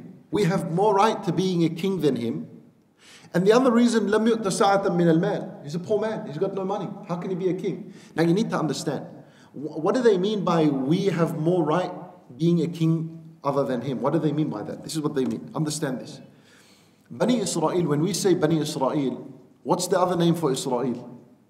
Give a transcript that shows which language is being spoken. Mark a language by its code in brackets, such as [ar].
[en] We have more right to being a king than him. And the other reason, [ar] لَمْ يُؤْتَ سَعَةً مِنَ الْمَالِ. [en] He's a poor man. He's got no money. How can he be a king? Now you need to understand. What do they mean by we have more right being a king other than him? What do they mean by that? This is what they mean. Understand this. Bani Israel, when we say Bani Israel, what's the other name for Israel?